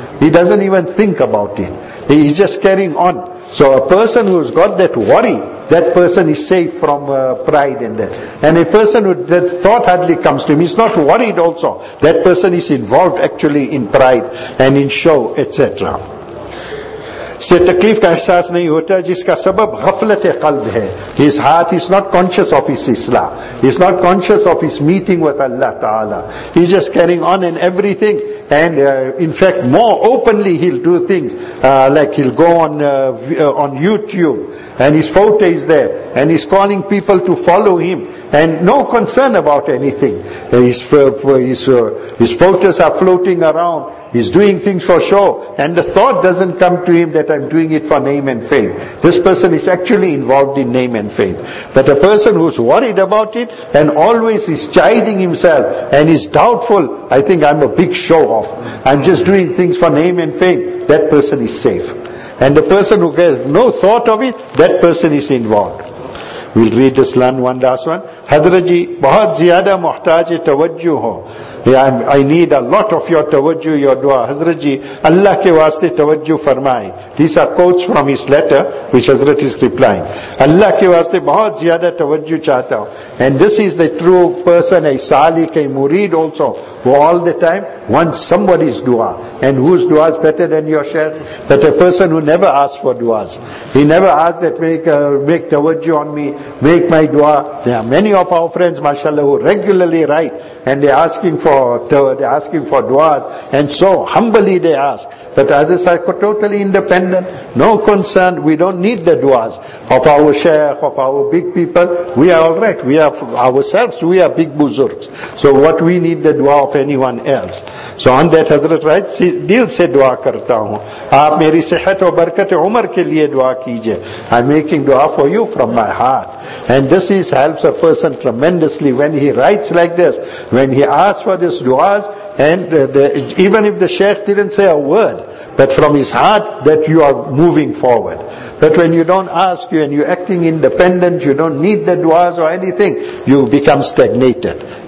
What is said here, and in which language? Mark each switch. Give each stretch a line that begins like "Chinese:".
English: He doesn't even think about it. He is just carrying on. So a person who's got that worry, that person is safe from pride in that. And a person who that thought hardly comes to him, he's not worried also. That person is involved actually in pride and in show, etc.
Urdu: سے تکلیف کا احساس نہیں ہوتا جس کا سبب غفلت قلب ہے.
English: His heart is not conscious of his islah. He's not conscious of his meeting with Allah Ta'ala. He's just carrying on in everything. And in fact, more openly he'll do things. Like he'll go on YouTube. And his photo is there. And he's calling people to follow him. And no concern about anything. His photos are floating around. He's doing things for show. And the thought doesn't come to him that I'm doing it for name and fame. This person is actually involved in name and fame. But a person who's worried about it and always is chiding himself and is doubtful, I think I'm a big show off. I'm just doing things for name and fame. That person is safe. And the person who has no thought of it, that person is involved. We'll read this one last one.
Urdu: حضرت جی بہت زیادہ محتاج توجہ ہو.
English: I need a lot of your توجہ, your دعا.
Urdu: حضرت جی اللہ کے واسطے توجہ فرمائیں.
English: These are quotes from his letter which حضرت is replying.
Urdu: اللہ کے واسطے بہت زیادہ توجہ چاہتا ہوں.
English: And this is the true person, a salik, a murid also, who all the time wants somebody's dua. And whose dua is better than your shaykh? That a person who never asks for duas. He never asks that make tawajjuh on me, make my dua. There are many of our friends, mashallah, who regularly write and they're asking for duas. And so humbly they ask. But others are totally independent. No concern. We don't need the duas of our shaykh, of our big people. We are all right. We are ourselves. We are big buzurgs. So what we need the dua of anyone else. So on that, Hazrat writes,
Urdu: دل سے دعا کرتا ہوں. آپ میری صحت و برکت عمر کے لیے دعا کیجئے.
English: I'm making dua for you from my heart. And this is helps a person tremendously when he writes like this, when he asks for these duas, and even if the sheikh didn't say a word, but from his heart that you are moving forward. But when you don't ask, you and you're acting independent, you don't need the du'as or anything, you become stagnated.